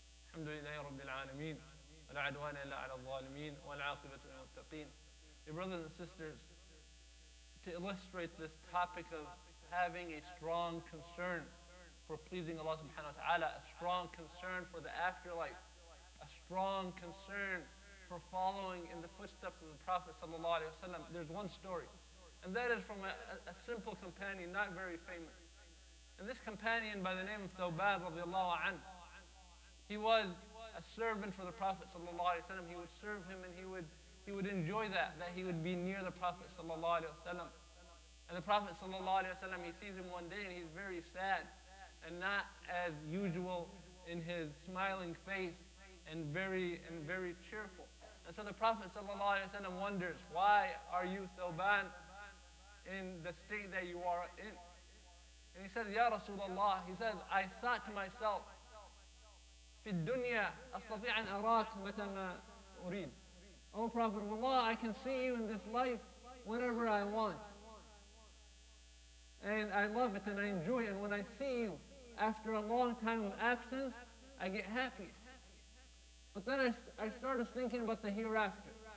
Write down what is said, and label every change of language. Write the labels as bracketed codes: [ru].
[ar] الحمد لله رب العالمين ولا عدوان إلا على الظالمين والعاقبة للمتقين. [en] Your brothers and sisters, to illustrate this topic of having a strong concern for pleasing Allah subhanahu wa ta'ala, a strong concern for the afterlife, a strong concern for following in the footsteps of the Prophet sallallahu alayhi wa sallam, there's one story. And that is from a simple companion, not very famous. And this companion by the name of Thawbab radiallahu anhu, he was a servant for the Prophet sallallahu alayhi wa sallam. He would serve him and he would enjoy that he would be near the Prophet sallallahu alayhi wa sallam. And the Prophet sallallahu alayhi wa sallam, he sees him one day and he's very sad and not as usual in his smiling face and very cheerful. And so the Prophet sallallahu alayhi wa sallam wonders, why are you Thawban in the state that you are in? And he says, Ya Rasulullah, he says, I thought to myself, [ar] في الدنيا أستطيع أن أراك متى ما أريد. [en] O Prophet of Allah, I can see you in this life whenever I want. And I love it and I enjoy it. And when I see you after a long time of absence, I get happy. But then I started thinking about the hereafter.